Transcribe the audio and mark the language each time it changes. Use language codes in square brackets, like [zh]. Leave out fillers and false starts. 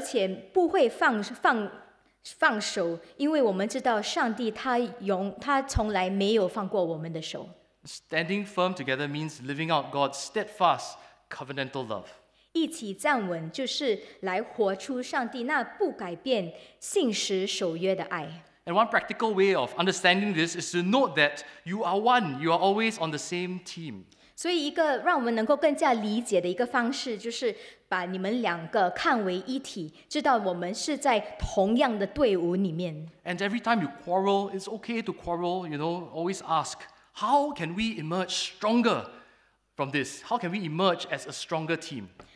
[zh] 就是在安乐困苦中继续的牵着彼此，而且不会放手， 因为我们知道上帝他从来没有放过我们的手。 [en] Standing firm together means living out God's steadfast covenantal love. [zh] 一起站稳就是来活出上帝那不改变信实守约的爱。 [en] And one practical way of understanding this is to note that you are one, you are always on the same team. [zh] 所以一个让我们能够更加理解的一个方式，就是把你们两个看为一体，知道我们是在同样的队伍里面。 [en] And every time you quarrel, it's okay to quarrel, you know, always ask, how can we emerge stronger from this? How can we emerge as a stronger team?